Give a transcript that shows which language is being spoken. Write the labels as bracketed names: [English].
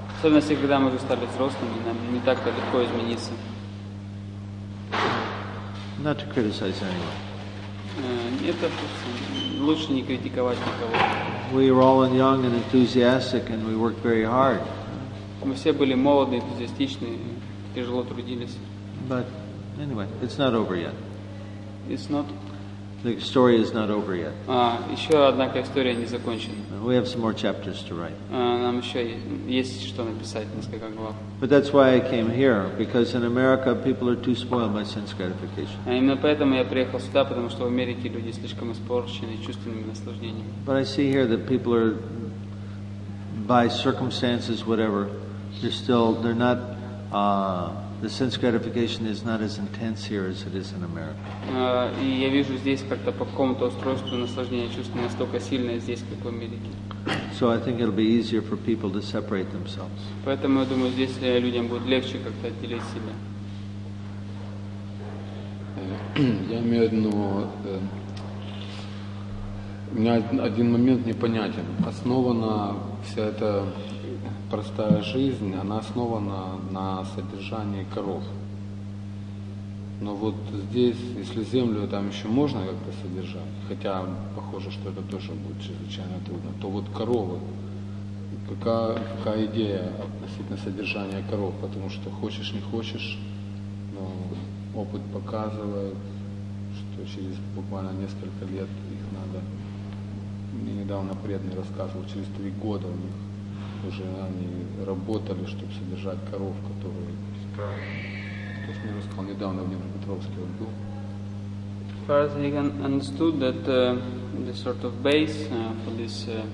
[Russian] Особенно когда мы уже стали взрослыми, нам не так легко измениться. [English] Not to criticize anyone. [Russian] Нет, лучше не критиковать никого. [English] We were all young and enthusiastic, and we worked very hard. [Russian] Мы все были молоды, энтузиастичны, тяжело трудились. [English] But anyway, it's not over yet. It's not. The story is not over yet. [Russian] Еще однако история не закончена. [English] We have some more chapters to write. [Russian] Нам еще есть что написать, несколько глав. [English] But that's why I came here, because in America people are too spoiled by sense gratification. [Russian] Именно поэтому я приехал сюда, потому что в Америке люди слишком испорчены чувственными наслаждениями. [English] But I see here that people are, by circumstances, whatever, they're not. The sense gratification is not as intense here as it is in America. [Russian] И я вижу здесь как-то по какому-то устройству наслаждение чувствую настолько сильное здесь, как в Америке. [English] So I think it'll be easier for people to separate themselves. [Russian] Поэтому я думаю, здесь людям будет легче как-то отделить себя. Я имею одно, у меня один момент непонятен. Основана вся эта простая жизнь, она основана на содержании коров. Но вот здесь, если землю там еще можно как-то содержать, хотя похоже, что это тоже будет чрезвычайно трудно, то вот коровы, какая идея относительно содержания коров? Потому что хочешь, не хочешь, но опыт показывает, что через буквально несколько лет их надо. Мне недавно преданный рассказывал, через 3 года у них уже они работали, чтобы содержать коров, которые... Кто мне рассказал, недавно в Днепропетровске он был. [English] As far as I understood, that the sort of base for this